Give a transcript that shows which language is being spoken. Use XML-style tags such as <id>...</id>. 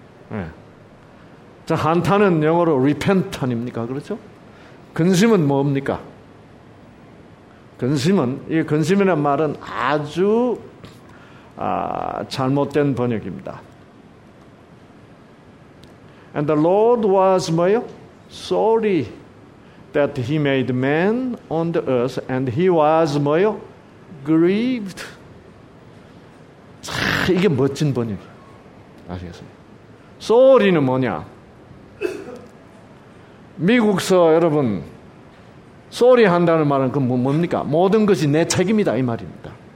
<ko>네. 자, 한탄은 영어로 repent 아닙니까? 그렇죠? 근심은 뭡니까? 근심은 이 근심이라는 말은 아주 잘못된 번역입니다.</ko> <en>And the Lord was</en> <ko>뭐요?</ko> <en>Sorry that he made man on the earth and he was 뭐요? Grieved.</en> <ko>참 이게 멋진 번역이에요. 아시겠어요? Sorry는 뭐냐? 미국서 여러분 Sorry 한다는 말은 그 뭡니까? 모든 것이 내 책임이다 이 말입니다.</ko>